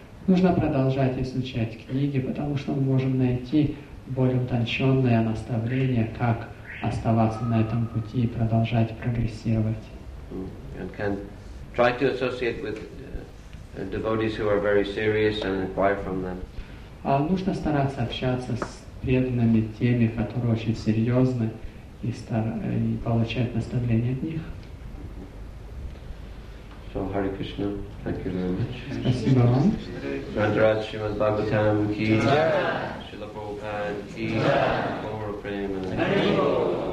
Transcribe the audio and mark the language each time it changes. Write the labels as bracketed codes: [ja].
[ru] Нужно продолжать изучать книги, потому что мы можем найти более утонченное наставление, как оставаться на этом пути и продолжать прогрессировать. [en] And can try to associate with devotees who are very serious and inquire from them. [ru] Нужно стараться общаться с преданными теми, которые очень серьезны, и получать наставления от них. [en] So, Hare Krishna, thank you very much. [ru] Спасибо вам. Радхарадж Шримад Бхагаватам ки, Шрила Прабхупад ки, Гаура Према.